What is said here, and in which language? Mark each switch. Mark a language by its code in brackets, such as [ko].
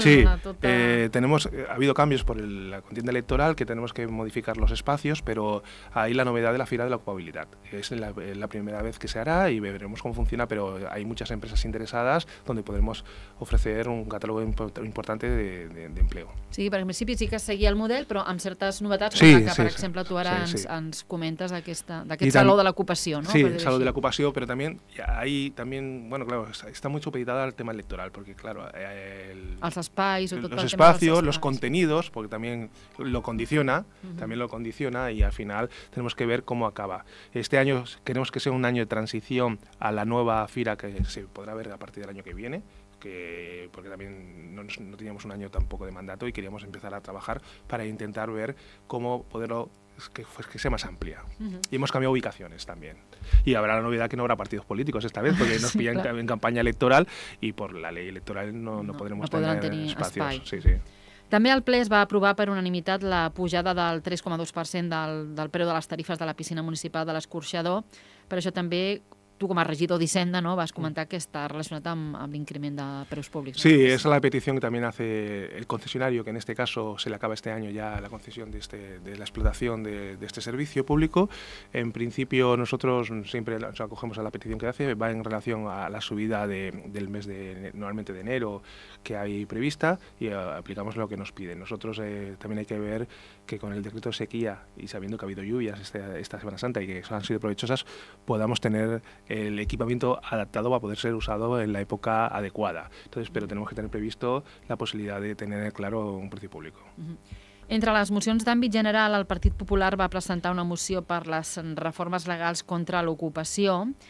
[es] Sí, ha habido cambios por la contienda electoral, que tenemos que modificar los espacios, pero ahí la novedad de la fila de la ocupabilidad. Es la primera vez que se hará y veremos cómo funciona, pero hay muchas empresas interesadas donde podremos ofrecer un catálogo importante de empleo. [ca] Sí, perquè en principi sí que seguia el model, però amb certes novetats, sí, com la que, sí, per exemple, tu ara ens comentes d'aquest saló de l'ocupació, no? Sí, el saló de l'ocupació, però també hi ha, claro, està molt supeditat al tema electoral, perquè, claro... Els espais o tot el tema... Els espais, els continguts, perquè també lo condiciona, també lo condiciona, i al final [es] tenemos que ver cómo acaba. Este año queremos que sea un año de transición a la nueva fira que se podrá ver a partir del año que viene, porque también no teníamos un año tampoco de mandato y queríamos empezar a trabajar para intentar ver cómo poderlo que sea más amplia. Uh-huh. Y hemos cambiado ubicaciones también. Y habrá la novedad que no habrá partidos políticos esta vez, porque nos pillan en campaña electoral y por la ley electoral no podremos tener espacios. [ca] Espai. Sí, sí. També el ple es va aprovar per unanimitat la pujada del 3,2% del preu de les tarifes de la piscina municipal de l'Escorxador, per això també tu, com a regidor d'Hisenda, no, vas comentar que està relacionat amb l'increment de preus públics. Sí, és la petició que també [es] hace el concessionario, que en este caso se le acaba este año ya la concesión de la explotación de este servicio público. En principio, nosotros siempre nos acogemos a la petición que hace, va en relación a la subida del mes de, normalmente, de enero, que hay prevista, y aplicamos lo que nos piden. Nosotros también hay que ver que con el decreto de sequía, y sabiendo que ha habido lluvias esta Semana Santa y que han sido provechosas, podamos tener el equipamiento adaptado va a poder ser usado en la época adecuada. Entonces, pero tenemos que tener previsto la posibilidad de tener claro un precio público. [ca] Entre les mocions d'àmbit general, el Partit Popular va presentar una moció per les reformes legals contra l'ocupació.